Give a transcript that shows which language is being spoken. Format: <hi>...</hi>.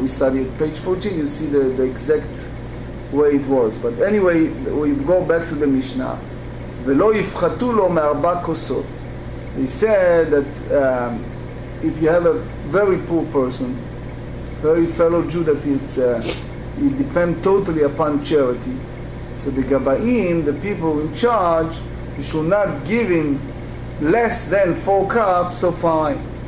<en>We studied page 14. You see the exact way it was. But anyway, we go back to the Mishnah.</en> <he>ולא יפחתו לו מארבע כוסות.</he> <en>He said that if you have a very poor person, very fellow Jew, that it's it depends totally upon charity. So the gabaim, the people in charge, you should not give him less than 4 cups of wine.</en>